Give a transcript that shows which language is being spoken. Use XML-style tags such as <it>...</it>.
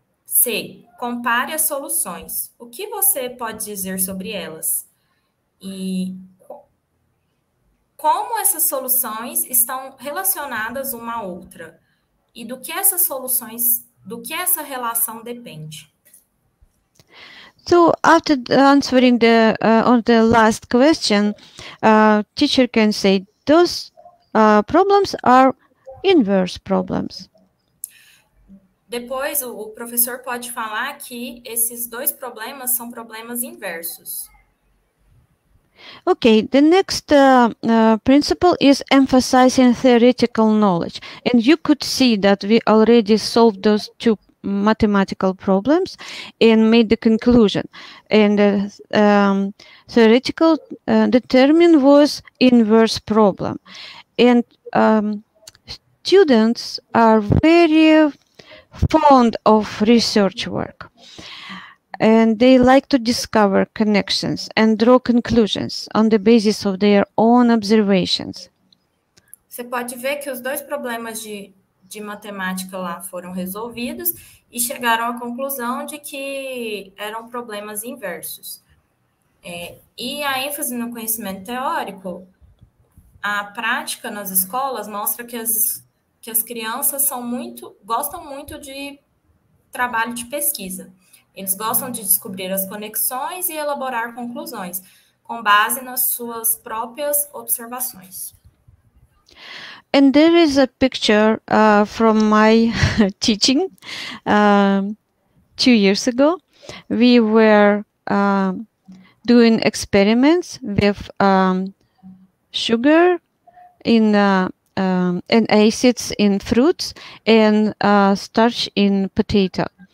<pt>C, compare as soluções. O que você pode dizer sobre elas? E como essas soluções estão relacionadas uma à outra? E do que essas soluções, do que essa relação depende?</pt> <en>So, after answering the on the last question, teacher can say those problems are inverse problems.</en> <pt>Depois, o professor pode falar que esses dois problemas são problemas inversos.</pt> <en>Okay, the next principle is emphasizing theoretical knowledge. And you could see that we already solved those two mathematical problems and made the conclusion. And the theoretical the term was inverse problem. And students are very fond of research work. And they like to discover connections and draw conclusions on the basis of their own observations.</en> <pt>Você pode ver que os dois problemas de matemática lá foram resolvidos e chegaram à conclusão de que eram problemas inversos. E a ênfase no conhecimento teórico, a prática nas escolas mostra que as crianças são muito, gostam muito de trabalho de pesquisa. Eles gostam de descobrir as conexões e elaborar conclusões com base nas suas próprias observações.</pt> <en>And there is a picture from my teaching 2 years ago. We were doing experiments with sugar in and acids in fruits and starch in potato.</en>